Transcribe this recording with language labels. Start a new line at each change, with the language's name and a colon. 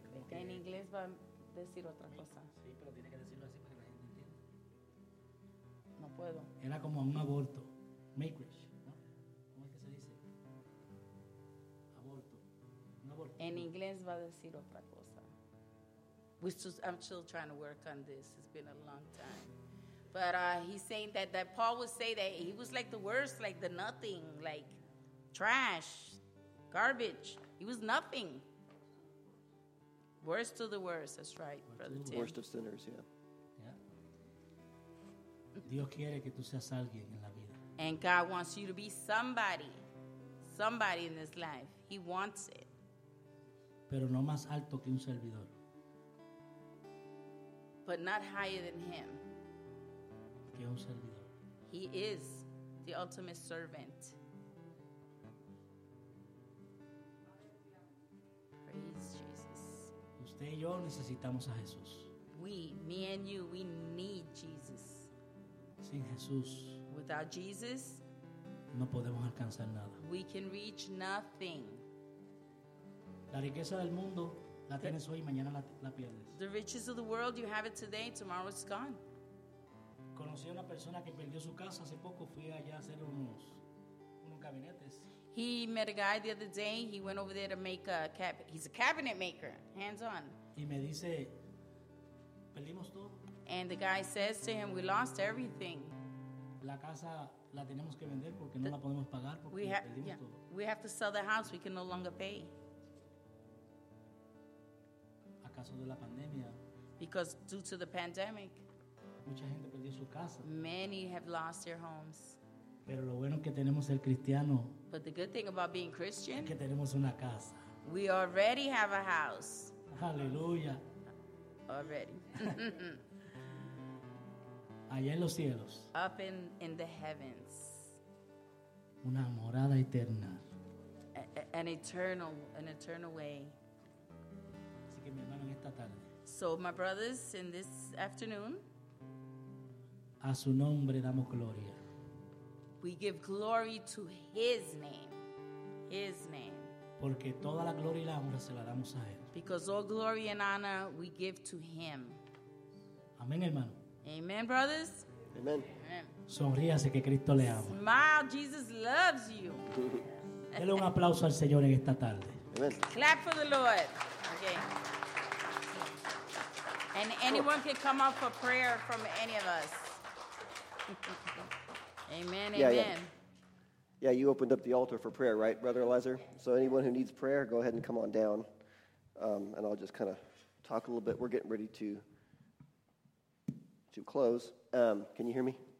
Spanish: En inglés va a decir otra cosa. Sí, pero tiene que decirlo así. No puedo. Era como un aborto. Makewish, ¿no? ¿Cómo es que se dice? Aborto. Un aborto. En inglés va a decir otra cosa.
English: I'm still trying to work on this. It's been a long time. But he's saying that Paul would say that he was like the worst, like the nothing, like trash, garbage. He was nothing. Worst of the worst. That's right, Brother Tim. Worst of sinners, yeah.
Spanish: Dios quiere que tú seas alguien en la vida.
English: And God wants you to be somebody. Somebody in this life. He wants it.
Spanish: Pero no más alto que un servidor.
English: But not higher than him.
Spanish: Que un servidor.
English: He is the ultimate servant. Praise Jesus.
Spanish: Usted y yo necesitamos a Jesús.
English: We, me and you, we need Jesus.
Spanish: Sin Jesús,
English: without Jesus,
Spanish: no podemos alcanzar nada.
English: We can reach nothing.
Spanish: La riqueza del mundo la tienes hoy y mañana la pierdes.
English: The riches of the world, you have it today, tomorrow it's gone.
Spanish: conocí a una persona que perdió su casa hace poco. Fui allá a hacer unos gabinetes.
English: He met a guy the other day. He went over there to make a cabinet. He's a cabinet maker, hands on.
Spanish: Y me dice, perdimos todo.
English: And the guy says to him, we lost everything.
Spanish: La casa la tenemos que vender porque no la podemos pagar porque perdimos todo.
English: We have to sell the house. We can no longer pay.
Spanish: A causa de la pandemia.
English: Because due to the pandemic,
Spanish: mucha gente perdió su casa.
English: Many have lost their homes.
Spanish: Pero lo bueno que tenemos el cristiano.
English: But the good thing about being Christian
Spanish: es que tenemos una casa.
English: We already have a house. Hallelujah. Already.
Spanish: Allá en los cielos.
English: Up in the heavens.
Spanish: Una morada eterna.
English: An eternal way.
Spanish: Así que mi hermano, en esta tarde.
English: So my brothers, in this afternoon,
Spanish: a su nombre damos gloria.
English: We give glory to His name. His name.
Spanish: Porque toda la gloria y la honra se la damos a Él.
English: Because all glory and honor we give to Him.
Spanish: Amén, hermano.
English: Amen, brothers. Amen.
Spanish: Sonríase que Cristo le ama.
English: Smile, Jesus loves you.
Spanish: Dele un aplauso al Señor en esta tarde.
English: Amen. Clap for the Lord. Okay. And anyone can come up for prayer from any of us. Amen, yeah, amen. Yeah, you opened up the altar for prayer, right, Brother Eliezer? So anyone who needs prayer, go ahead and come on down. And I'll just kind of talk a little bit. We're getting ready to close. Can you hear me?